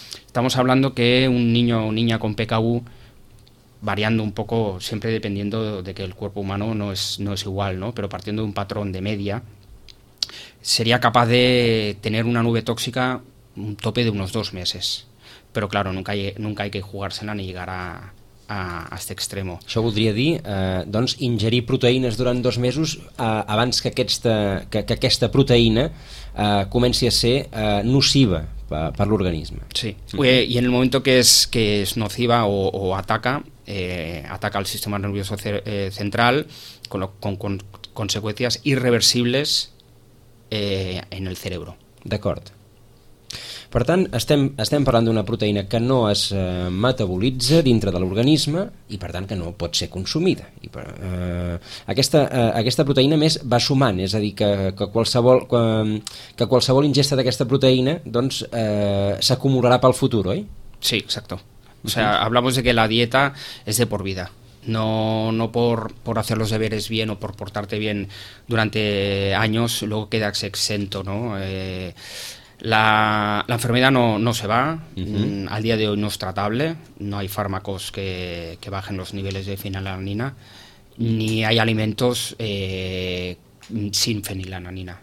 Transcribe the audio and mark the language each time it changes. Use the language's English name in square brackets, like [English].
[Spanish] Estamos hablando que un niño o niña con PKU, variando un poco, siempre dependiendo de que el cuerpo humano no es igual, ¿no? Pero partiendo de un patrón de media, sería capaz de tener una nube tóxica un tope de unos 2 meses. Pero claro, nunca hay que jugársela ni llegar a este extremo. [Catalan] Això voldria dir, doncs, ingerir proteïnes durant 2 mesos abans que aquesta proteïna comenci a ser nociva per l'organisme. Sí, i en el moment que és nociva o [Spanish] ataca el sistema nervioso central con [Catalan] conseqüències irreversibles [Spanish] en el cerebro. [Catalan] D'acord. Per tant, estem parlant d'una proteïna que no es metabolitza dintre de l'organisme i, per tant, que no pot ser consumida. Aquesta proteïna, a més, va sumant, és a dir, que qualsevol ingesta d'aquesta proteïna doncs, s'acumularà pel futur, oi? [Spanish] Sí, exacto. O sea, hablamos de que la dieta es de por vida. No por hacer los deberes bien o por portarte bien durante años, luego quedas exento, ¿no? La enfermedad no se va, al día de hoy no es tratable, no hay fármacos que bajen los niveles de fenilalanina, ni hay alimentos sin fenilalanina.